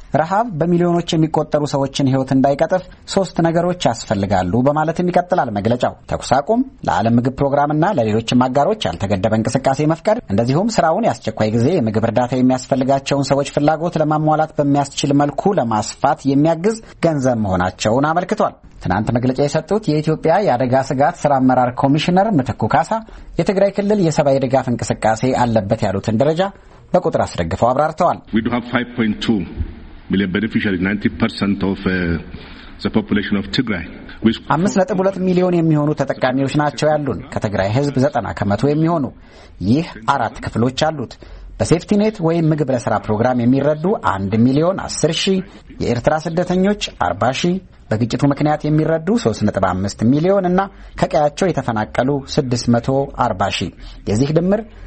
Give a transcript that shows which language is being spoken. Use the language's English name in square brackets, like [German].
[Amharic] ረሃብ በሚሊዮኖች የሚቆጠሩ ሰዎችን ህይወት እንዳይቀጥፍ ሶስት ነገሮች ያስፈልጋሉ በማለትም ይቀጥላል መግለጫው። ተኩስ አቁም፣ ለዓለም ምግብ ፕሮግራምና ለሌሎች አጋሮች ያልተገደበ እንቅስቃሴ መፍቀድ፣ እንደዚሁም ስራውን የአስቸኳይ ጊዜ የምግብ እርዳታ የሚያስፈልጋቸውን ሰዎች ፍላጎት ለማሟላት በሚያስችል መልኩ ለማስፋት የሚያግዝ ገንዘብ መሆናቸውን አመልክቷል። ትናንት መግለጫ የሰጡት የኢትዮጵያ የአደጋ ስጋት ስራ አመራር ኮሚሽነር ምትኩ ካሳ የትግራይ ክልል የሰብአዊ ድጋፍ እንቅስቃሴ አለበት ያሉትን ደረጃ በቁጥር አስደግፈው አብራርተዋል። [English] We do have 5.2 million beneficiaries, 90% of the population of Tigray. [Amharic] 5.2 ሚሊዮን የሚሆኑ ተጠቃሚዎች ናቸው ያሉን፣ ከትግራይ ህዝብ 90% የሚሆኑ። ይህ አራት ክፍሎች አሉት። በሴፍቲ ኔት ወይም ምግብ ለስራ ፕሮግራም የሚረዱ 1 ሚሊዮን 10 ሺህ፣ የኤርትራ ስደተኞች 40 ሺህ፣ በግጭቱ ምክንያት የሚረዱ 3.5 ሚሊዮን እና ከቀያቸው የተፈናቀሉ 640 ሺህ። የዚህ ድምር